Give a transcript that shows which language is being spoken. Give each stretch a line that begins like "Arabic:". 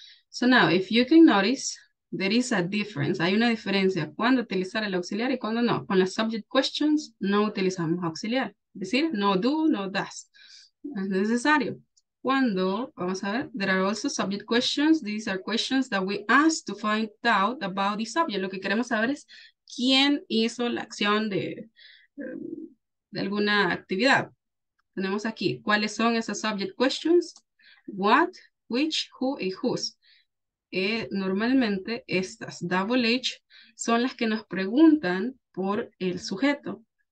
English: So now, if you can notice, there is a difference.
Spanish: Hay una diferencia cuando utilizar el auxiliar y cuando no. Con las subject questions, no utilizamos auxiliar. Es decir, no do, no does. Es necesario. Cuando, vamos a ver,
English: there are also subject questions. These are questions that we ask to find out about the subject.
Spanish: Lo que queremos saber es quién hizo la acción de alguna actividad. Tenemos aquí, ¿cuáles son esas subject questions? What, which, who, y whose. Normalmente estas double H son las que nos preguntan por el sujeto.